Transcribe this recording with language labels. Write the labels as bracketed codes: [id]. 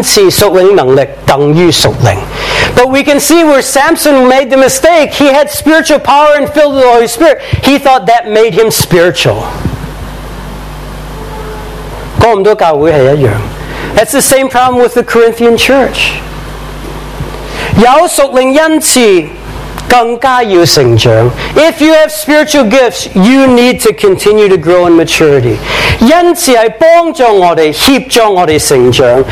[zh] 但是我们看到参孙的失败，他搞错了，以为属灵恩赐、属灵能力等于属灵。 [en] But we can see where Samson made the mistake. He had spiritual power and filled with the Holy Spirit. He thought that made him spiritual. [zh] 哥林多教会是一样。 [en] That's the same problem with the Corinthian church. [zh] 有属灵恩赐, 更加要成长。 [en] If you have spiritual gifts, you need to continue to grow in maturity. [zh] 恩赐是帮助我们，协助我们成长。